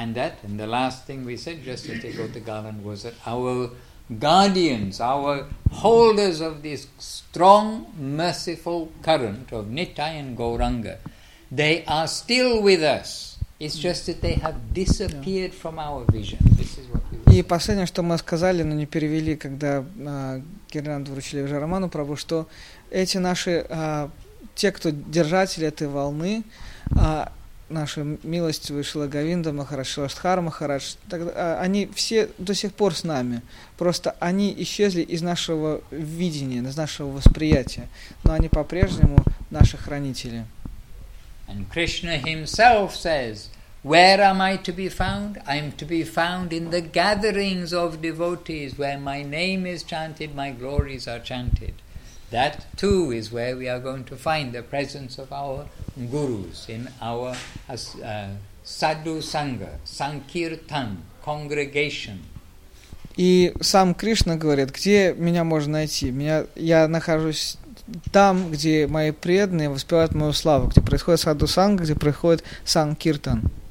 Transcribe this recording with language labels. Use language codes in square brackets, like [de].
[en] And that, and the last thing we said just to take out the garland was that our guardians, our holders of this strong, merciful current of Nittai and Gauranga, they are still with us. It's just that they have disappeared from our vision. This is what we were. [ru] И последнее, что мы сказали, но не перевели, когда Гирлянду вручили Вижараману Прабху, что эти наши, те, кто держатели этой волны, наши милостивые Шрила Говинда Махарадж, Шрила Штхара Махарадж, они все до сих пор с нами. Просто они исчезли из нашего видения, из нашего восприятия. Но они по-прежнему наши хранители. [en] And Krishna himself says, where am I to be found? I am to be found in the gatherings of devotees where my name is chanted, my glories are chanted. That too is where we are going to find the presence of our gurus in our sadhu sangha, sankirtan, congregation. [ru] И сам Кришна говорит, где меня можно найти? Я нахожусь там, где мои преданные воспевают мою славу, где происходит саду санга, где происходит санкиртан.